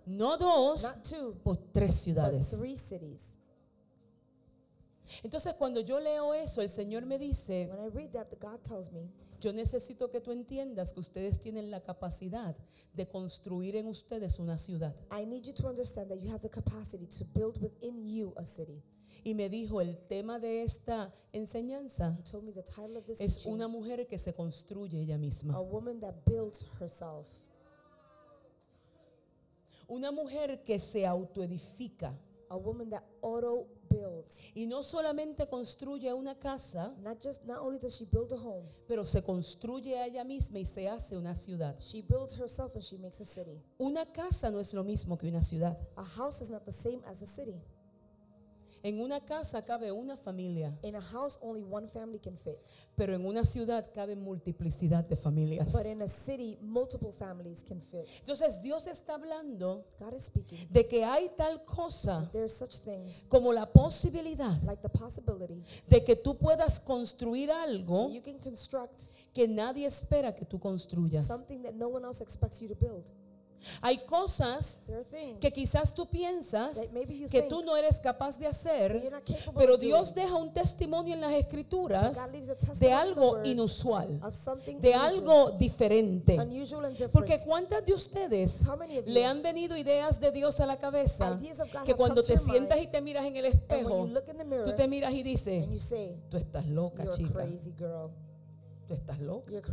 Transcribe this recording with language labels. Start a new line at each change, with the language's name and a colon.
Spanish: no dos,
English: not two,
Spanish: por tres ciudades.
English: But three cities.
Spanish: Entonces cuando yo leo eso, el Señor me dice,
English: when I read that, God tells me,
Spanish: yo necesito que tú entiendas que ustedes tienen la capacidad de construir en ustedes una ciudad.
English: I need you to understand that you have the capacity to build within you a city.
Spanish: Y me dijo el tema de esta enseñanza es una mujer que se construye ella misma.
English: A woman that builds herself.
Spanish: Una mujer que se autoedifica.
English: A woman that auto builds.
Spanish: Y no solamente construye una casa,
English: not only does she build a home,
Spanish: pero se construye a ella misma y se hace una ciudad.
English: She builds herself and she makes a city.
Spanish: Una casa no es lo mismo que una ciudad.
English: A house is not the same as a city.
Spanish: En una casa cabe una familia.
English: In a house, only one family can fit.
Spanish: Pero en una ciudad cabe multiplicidad de familias.
English: But in a city, multiple families can fit.
Spanish: Entonces Dios está hablando.
English: God is speaking.
Spanish: De que hay tal cosa.
English: There are such things.
Spanish: Como la posibilidad.
English: Like the possibility.
Spanish: De que tú puedas construir algo.
English: You can construct.
Spanish: Que nadie espera que tú construyas.
English: Something that no one else expects you to build.
Spanish: Hay cosas que quizás tú piensas que tú no eres capaz de hacer, pero Dios deja un testimonio en las Escrituras de algo inusual, de algo diferente. Porque ¿cuántas de ustedes le han venido ideas de Dios a la cabeza que cuando te sientas y te miras en el espejo, tú te miras y dices, tú estás loca, chica, tú estás loca?